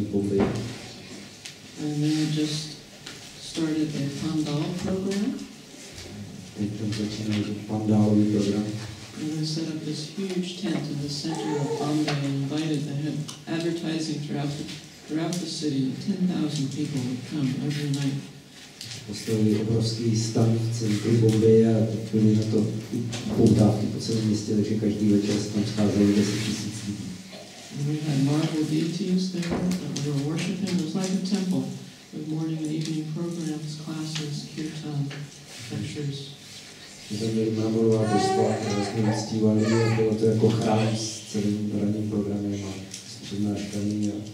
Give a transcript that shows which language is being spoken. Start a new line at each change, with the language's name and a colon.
English: And then I just started the Pandal program. And I set up this huge tent in the center of Bombay and invited the advertising throughout the city. 10,000 people would come every night.
Czech: Postavili obrovský stan v centru Bombaje a byli na to poutávky po celém městě, takže každý večer se tam scházeli 10,000 lidí.
English: We had marble deities there that we were worshiping. It was like a temple with morning and evening programs, classes, kirtan, lectures.
Czech: My tam měli marmorová božstva, které jsme uctívali a bylo to jako chrám s celým ranním programem a s přednáškami.